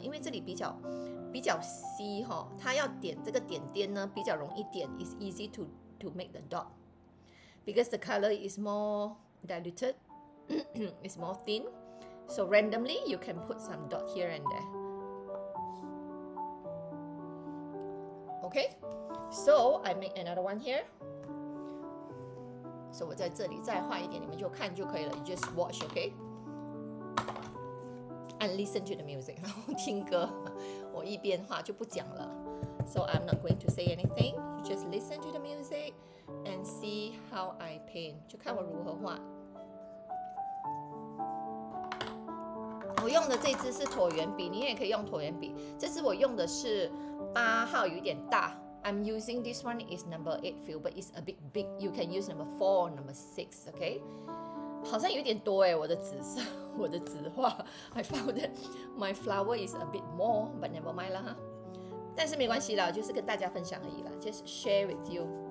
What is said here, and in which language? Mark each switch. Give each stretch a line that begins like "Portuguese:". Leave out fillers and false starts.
Chinese: 因为这里比较稀哈，它要点这个点点呢比较容易点。
English: It's easy to make the dot because the color is more diluted, it's more thin. So randomly, you can put some dot here and there. Okay, so I make another one here.
Chinese: So 我在这里再画一点，你们就看就可以了。
English: You just watch, okay? And listen to the music.
Chinese: 然后听歌，我一边画就不讲了。
English: So I'm not going to say anything. You just listen to the music and see how I paint.
Chinese: 就看我如何画。我用的这支是椭圆笔，你也可以用椭圆笔。这支我用的是八号，有点大。
English: I'm using this one is number 8 feel, but it's a bit big. You can use number 4 or number 6, okay?
Chinese: 好像有点多哎，我的紫色，我的紫画。
English: I found that my flower is a bit more, but never mind 啦哈。
Chinese: 但是没关系啦，就是跟大家分享而已啦 ，
English: just share with you.